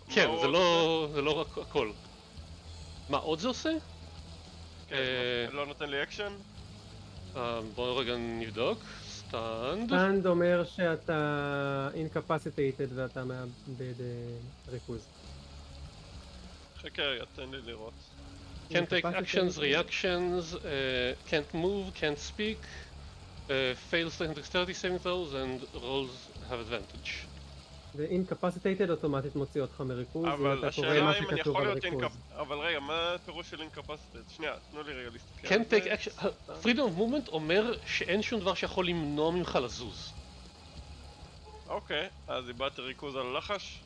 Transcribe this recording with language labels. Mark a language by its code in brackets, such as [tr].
[he] כן, זה לא... זה לא רק הכל. מה עוד זה עושה? לא נותן לי אקשן? בואו רגע נבדוק. סטנד. סטנד אומר שאתה אינקפסיטייטד ואתה מאבד ריכוז. חכה, תן לי לראות. [en] Can't take actions, reactions, can't move, can't speak, fails the dexterity saving throws and rolls have advantage. [he] ואינקפסיטייטד אוטומטית מוציא אותך מריכוז, אם אתה קורא מה שכתוב על ריכוז. אבל רגע, מה הפירוש של אינקפסיטייטד? שנייה, תנו לי רגע להסתכל. [en] Can't take action, [he] freedom of movement אומר שאין שום דבר שיכול למנוע ממך לזוז. אוקיי, אז איבדת ריכוז על לחש?